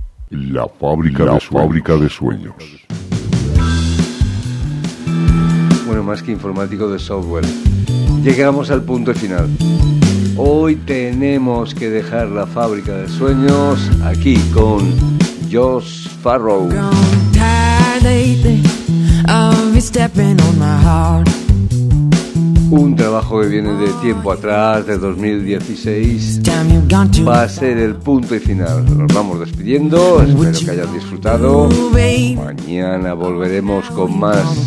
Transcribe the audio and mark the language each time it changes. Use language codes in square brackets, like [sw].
[es] La fábrica, la de, fábrica sueños. De sueños. Bueno, más que informático, de software. Llegamos al punto final. Hoy tenemos que dejar la fábrica de sueños aquí con Josh Farrow. [en] I'm tired lately of you stepping on my heart. [es] Un trabajo que viene de tiempo atrás, de 2016. Va a ser el punto y final. Nos vamos despidiendo. Espero que hayas disfrutado. Mañana volveremos con más.